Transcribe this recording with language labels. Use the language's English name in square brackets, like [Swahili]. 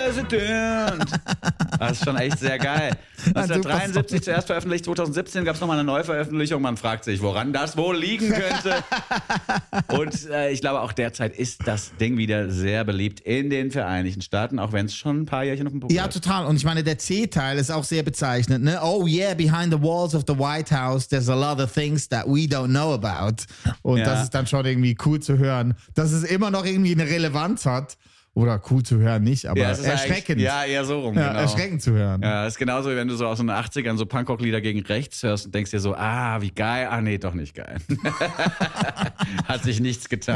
[German] Das ist schon echt sehr geil. 1973 zuerst veröffentlicht, 2017 gab es nochmal eine Neuveröffentlichung. Man fragt sich, woran das wohl liegen könnte. Und ich glaube, auch derzeit ist das Ding wieder sehr beliebt in den Vereinigten Staaten, auch wenn es schon ein paar Jährchen auf dem Buch ist. Ja, total. Und ich meine, der C-Teil ist auch sehr bezeichnend. Ne? [English] Oh yeah, behind the walls of the White House, there's a lot of things that we don't know about. [German] Und Das ist dann schon irgendwie cool zu hören, dass es immer noch irgendwie eine Relevanz hat. Oder cool zu hören nicht, aber ja, erschreckend. Ja, eher so rum, genau. Erschreckend zu hören. Ja, ist genauso, wie wenn du so aus den 80ern so Punkrock-Lieder gegen rechts hörst und denkst dir so, ah, wie geil, ah nee, doch nicht geil. Hat sich nichts getan.